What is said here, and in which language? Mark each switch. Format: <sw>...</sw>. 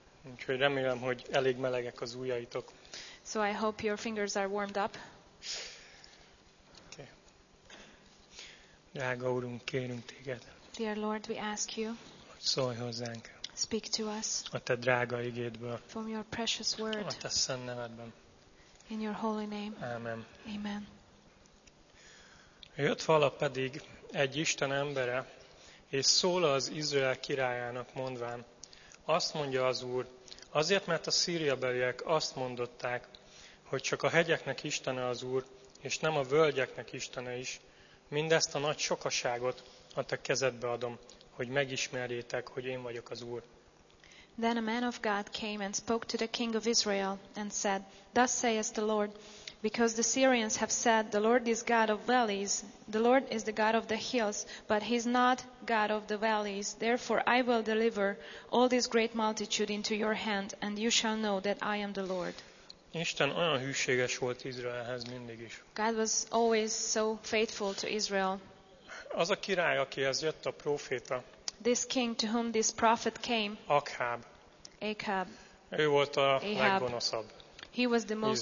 <hu>Úgyhogy remélem, hogy elég melegek az ujjaitok.</hu> <en>So I hope your fingers are warmed up. Okay.</en> <hu>Drága Úrunk, kérünk téged.</hu> <en>Dear Lord, we ask you.</en> <hu>Szólj hozzánk.</hu> <en>Speak to us.</en> <hu>A te drága igédből.</hu> <en>From your precious word.</en> <hu>A te szent nevedben.</hu> <en>In your holy name.</en> <hu>Amen.</hu> <en>Amen.</en> <hu>Jött vala pedig egy Isten embere, és szól az Izrael királyának mondván. Azt mondja az Úr, azért, mert a szíriabeliek azt mondották, hogy csak a hegyeknek istene az Úr, és nem a völgyeknek istene is, mindezt a nagy sokaságot a te kezedbe adom, hogy megismerjétek, hogy én vagyok az Úr.</hu> <en>Then a man of God came and spoke to the king of Israel, and said, Thus saith the Lord, Because the Syrians have said, The Lord is God of valleys, the Lord is the God of the hills, but He is not God of the valleys. Therefore I will deliver all this great multitude into your hand, and you shall know that I am the Lord.</en> <hu>Isten olyan hűséges volt Izraelhez mindig is.</hu> <en>God was always so faithful to Israel.</en> <hu>Az a király, akihez jött a proféta.</hu> <en>This king to whom this prophet came.</en> <hu>Ahab. Ő volt a leggonoszabb.</hu> <en>He was the most</en>